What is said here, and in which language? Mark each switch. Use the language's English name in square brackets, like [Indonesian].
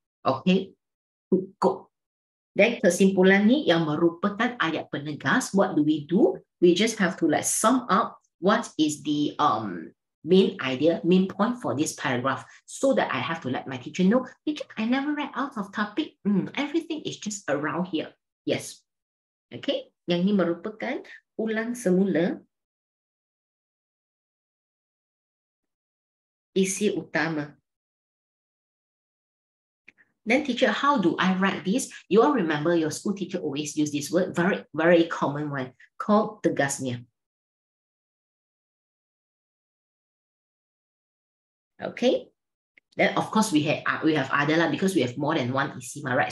[English] Okay, go. [Malay] Then kesimpulan ni yang merupakan ayat penegas, what do? [English] We just have to like sum up what is the main idea, main point for this paragraph so that I have to let my teacher know, teacher, I never read out of topic. Everything is just around here. Yes. Okay. [Malay] Yang ni merupakan ulang semula isi utama. [English] Then teacher, how do I write this? You all remember your school teacher always use this word, very, very common one, called tegasnya. Okay? Then of course we have other lah, because we have more than one isi ma, right?